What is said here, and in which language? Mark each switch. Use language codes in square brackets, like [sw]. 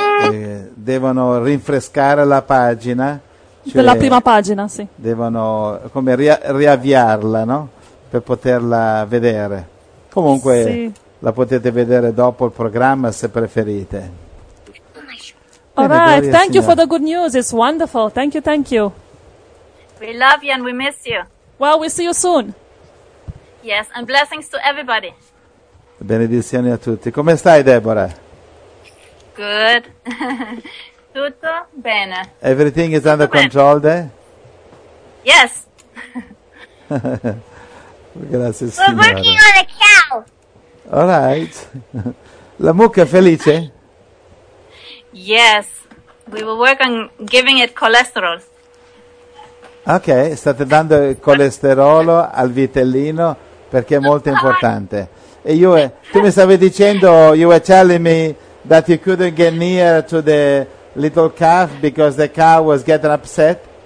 [it] Sì. Devono rinfrescare la pagina. Cioè della prima pagina, sì. Devono come riavviarla, no? Per poterla vedere. Comunque... Sì. La potete vedere dopo il programma se preferite. [en] All right, thank you for the good news. It's wonderful. Thank you, thank you. We love you and we miss you. Well, we'll see you soon. Yes, and blessings to everybody. [it] Benedizioni a tutti. Come stai, Deborah? Good. Tutto bene. [en] Everything is under control, there? Yes. [it] Grazie, [en] signora. We're working on a cow. All right. [it] La mucca è felice? [en] Yes. We will work on giving it cholesterol. [it] Ok, state dando il colesterolo al vitellino perché è molto importante. E tu mi stavi dicendo, [en] you were telling me that you couldn't get near to the little calf because the cow was getting upset?